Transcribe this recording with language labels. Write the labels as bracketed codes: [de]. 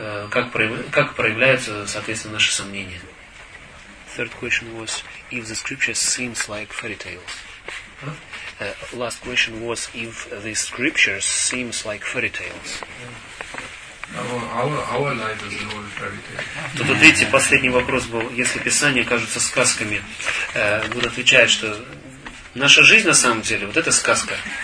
[ru] Как проявляются, соответственно, наши сомнения. [en] Third question was, if the scripture seems like fairy tales. Last question was, if the scripture seems like fairy tales. Our life is an old fairy tale. [ru] Тут вот видите, последний вопрос был, если Писание кажется сказками, Будда отвечает, что наша жизнь на самом деле, вот это сказка.